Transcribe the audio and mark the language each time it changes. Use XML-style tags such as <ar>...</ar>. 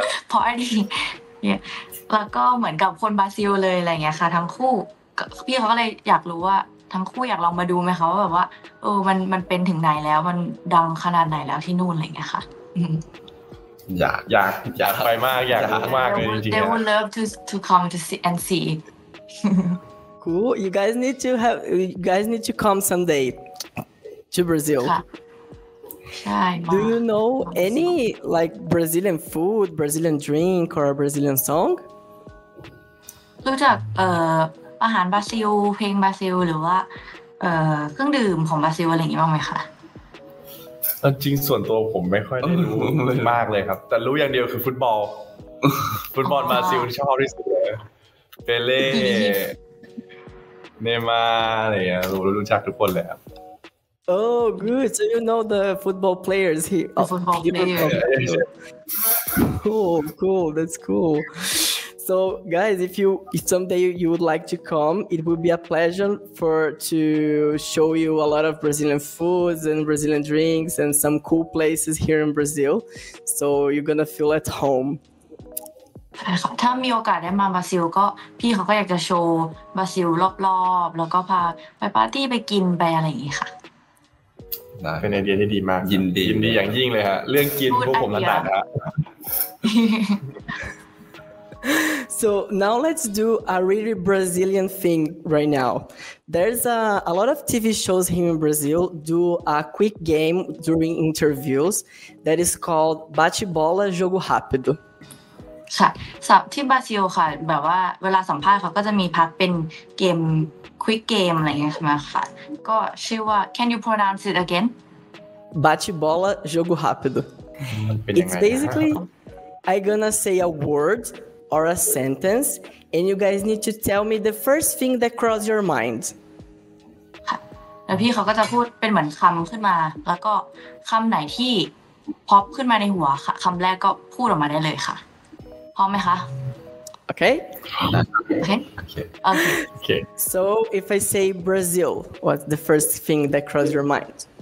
<th>พอดีแล้วก็เหมือนกับคนบราซิลเลยอะไรเงี้ยค่ะทั้งคู่พี่เขาก็เลยอยากรู้ว่าทั้งคู่อยากลองมาดูไหมคะว่าแบบว่าเออมันเป็นถึงไหนแล้วมันดังขนาดไหนแล้วที่นู่นอะไรเงี้ยค่ะ อยากไปมากอยากรู้มากเลยจริงๆ</th> <en>They would love to come to see and see Cool you guys need to come someday to Brazil Do you know any like Brazilian food Brazilian drink or Brazilian song</en> <th>รู้จักอาหารบราซิลเพลงบราซิลหรือว่าเครื่องดื่มของบราซิลอะไรอย่างนี้บ้างไหมคะ จริงส่วนตัวผมไม่ค่อยได้รู้มากเลยครับแต่รู้อย่างเดียวคือฟุตบอลบราซิลชอบที่สุดเลยเปเล่เนมาร์อะไรอย่างเงี้ยรู้จักทุกคนเลยครับ</th> <en>Oh, good. So you know the football players here. The football players. Cool. That's cool. So, guys, if someday you would like to come, it would be a pleasure to show you a lot of Brazilian foods and Brazilian drinks and some cool places here in Brazil. So you're gonna feel at home.</en> <th>ใช่ค่ะถ้ามีโอกาสได้มาบราซิลก็พี่เขาก็อยากจะโชว์บราซิลรอบๆแล้วก็พาไปปาร์ตี้ไปกินไปอะไรอย่างงี้ค่ ะ เป็นไอเดียที่ดีมาก ยินดียินดีอย่างยิ่งเลยฮะเรื่องกินพวกผมนั่นแหละ</th> <en>So now let's do a really Brazilian thing right now. There's a lot of TV shows here in Brazil do a quick game during interviews that is called Bate Bola Jogo Rápido.</en> <th>ค่ะสับที่บราซิลค่ะแบบว่าเวลาสัมภาษณ์เขาก็จะมีพักเป็นเกม quick game อะไรเงี้ยใช่ไหมคะก็ชื่อว่า</th> <en>Can you pronounce it again? Bate Bola Jogo Rápido. It's basically I'm gonna say a word. Or a sentence, and you guys need to tell me the first thing that crosses your mind.</en> <th>แล้วพี่เขาก็จะพูดเป็นเหมือนคำขึ้นมาแล้วก็คำไหนที่พอปขึ้นมาในหัวค่ะคำแรกก็พูดออกมาได้เลยค่ะพร้อมไหมคะ โอเค โอเค โอเค</th> <en>So if I say Brazil, what's the first thing that crosses your mind?</en>